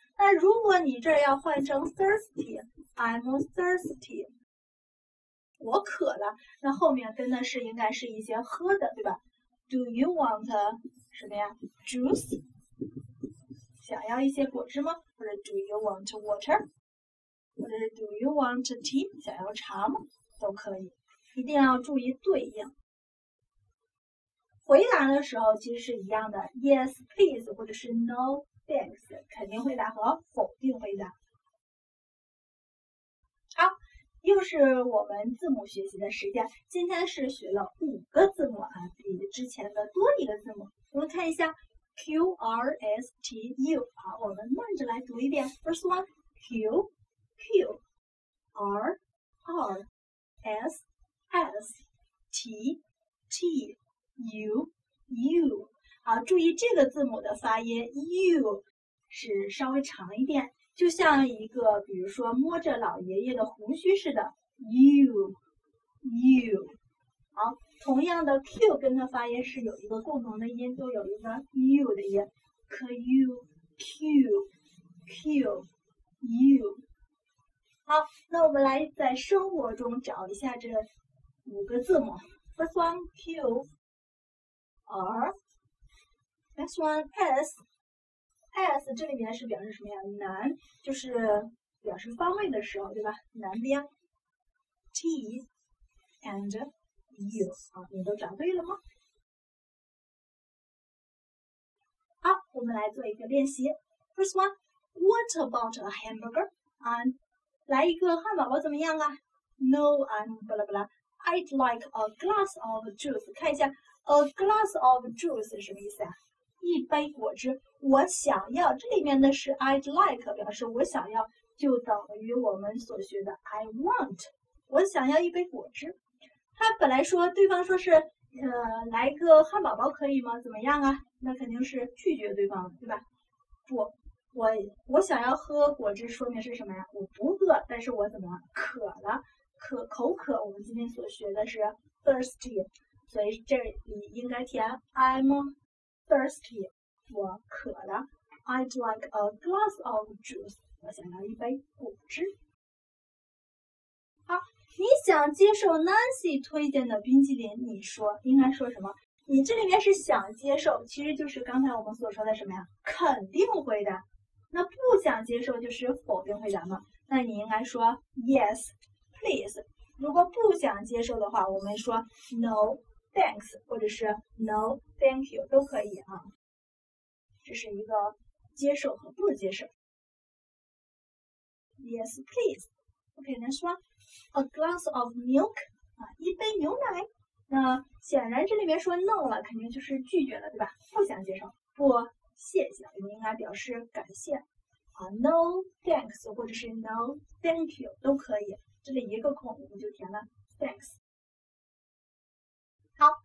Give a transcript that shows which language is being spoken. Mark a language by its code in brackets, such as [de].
[zh] 那如果你这儿要换成 "thirsty", "I'm thirsty"， 我渴了，那后面跟的是应该是一些喝的，对吧？ [en] Do you want [zh] 什么呀 ？Juice， 想要一些果汁吗？或者 [en] Do you want water？ 或者 Do you want tea？ [zh] 想要茶吗？都可以，一定要注意对应。回答的时候其实是一样的 ， [en] Yes please [zh] 或者是 [en] No thanks， [zh] 肯定回答和否定回答。好，又是我们字母学习的时间，今天是学了五个字母啊，比之前的多一个字母。我们看一下 Q R S T U， 好，我们慢着来读一遍。 [en] First one [zh] Q Q R R S S T T U U， 好，注意这个字母的发音 U 是稍微长一点。就像一个比如说摸着老爷爷的胡须似的 you 好，同样的 q 跟它发音是有一个共同的音，都有一个 u 的音 q u q q u 好，那我们来在生活中找一下这五个字母。 [en] first one [zh] q r， [en] next one [zh] sS 这里面是表示什么呀？南，就是表示方位的时候，对吧？南边。 T and U 啊，你都找对了吗？好，我们来做一个练习。 [en] First one, what about a hamburger? [zh] 啊，来一个汉堡包怎么样啊 ？ [en] No, I'm blah blah. I'd like a glass of juice. [zh] 看一下 [en] ，a glass of juice [zh] 什么意思啊？一杯果汁，我想要，这里面的是 [en] I'd like， [zh] 表示我想要，就等于我们所学的 [en] I want， [zh] 我想要一杯果汁。他本来说，对方说是，来个汉堡包可以吗？怎么样啊？那肯定是拒绝对方，对吧？不，我想要喝果汁，说明是什么呀？我不饿，但是我怎么渴了？口渴，我们今天所学的是 thirsty， 所以这里应该填 I'm。 Thirsty， 我渴了。 [en] I'd like a glass of juice， [zh] 我想要一杯果汁。好，你想接受 Nancy 推荐的冰淇淋，你说应该说什么？你这里面是想接受，其实就是刚才我们所说的什么呀？肯定回答。那不想接受就是否定回答吗？那你应该说 [en] Yes, please。 [zh] 如果不想接受的话，我们说 No。 Thanks， 或者是 [en] No, thank you [zh] 都可以啊。这是一个接受和不接受。 [en] Yes, please. Okay, next one. A glass of milk 啊， [zh] 一杯牛奶。那显然这里面说 No 了，肯定就是拒绝了，对吧？不想接受。不，谢谢，我们应该表示感谢啊。 [en] No, thanks， [zh] 或者是 [en] No, thank you [zh] 都可以。这里一个空，我们就填了 Thanks。好，